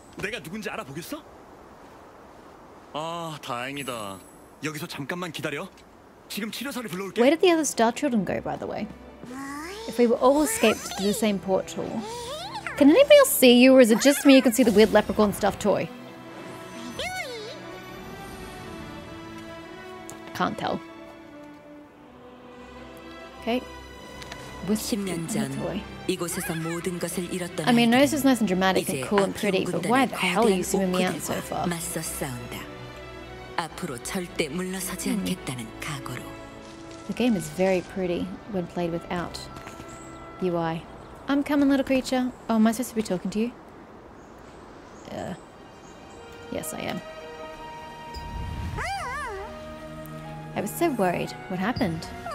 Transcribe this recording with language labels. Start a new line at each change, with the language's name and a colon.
Korean: 내가 누군지 알아보겠어? 아, 다행이다. 여기서 잠깐만 기다려. 지금 치료사를 불러올게.
English: Where did the other star children go, by the way? If we were all escaped through the same portal. Can anybody else see you, or is it just me who can see the weird leprechaun stuffed toy? Can't tell. Okay.
Korean: 10년 전 이곳에서 모든 것을 잃었던
English: I mean, I know this is nice and dramatic and cool and pretty, but why the hell are you zooming me out so far?
Korean: 맞서 싸운다. 앞으로 절대 물러서지 않겠다는 각오로.
English: The game is very pretty when played without UI. I'm coming, little creature. Oh, am I supposed to be talking to you? Yes, I am. I was so worried. What happened?